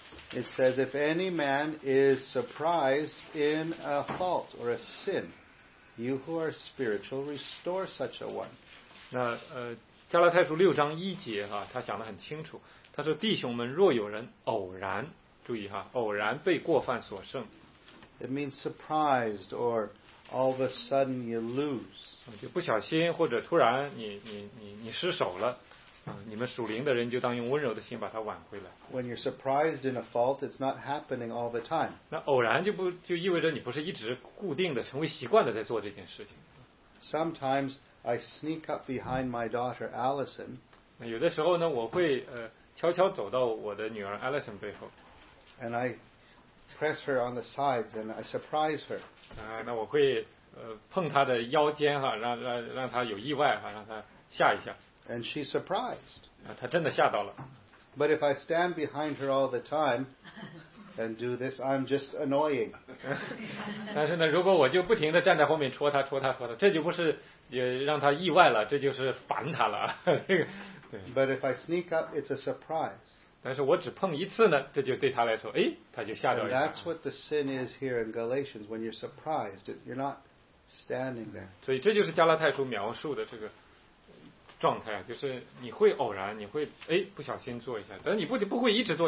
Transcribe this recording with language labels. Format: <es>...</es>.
<en>It says if any man is surprised in a fault or a sin, you who are spiritual, restore such a one.</en> <zh>那加拉太书六章一节哈，他讲得很清楚，他说弟兄们，若有人偶然，注意哈，偶然被过犯所胜。</zh> <en>It means surprised or all of a sudden you lose.</en> <zh>就不小心或者突然你失手了，你们属灵的人就当用温柔的心把它挽回来。</zh> <en>When you're surprised in a fault, it's not happening all the time.</en> <zh>那偶然就意味着你不是一直固定的成为习惯的在做这件事情。</zh> <en>Sometimes I sneak up behind my daughter Allison.</en> <zh>有的时候呢，我会悄悄走到我的女儿 Allison 背后。</zh> <en>And I press her on the sides and I surprise her.</en> <zh>那我会。碰他的腰间哈，让他有意外哈，让他吓一下。</zh> <en>And she's surprised.</en> <zh>他真的吓到了。</zh> <en>But if I stand behind her all the time and do this, I'm just annoying.</en> <zh>但是呢，如果我就不停地站在后面戳他，这就不是也让他意外了，这就是烦他了。</zh> <en>But if I sneak up, it's a surprise.</en> <zh>但是我只碰一次呢，这就对他来说，哎，他就吓到了。</zh> <en>And that's what the sin is here in Galatians. When you're surprised, you're not. Standing there.</en> <zh>所以这就是加拉太书描述的这个状态，就是你会偶然，你会哎不小心做一下，但你不会一直做。</zh>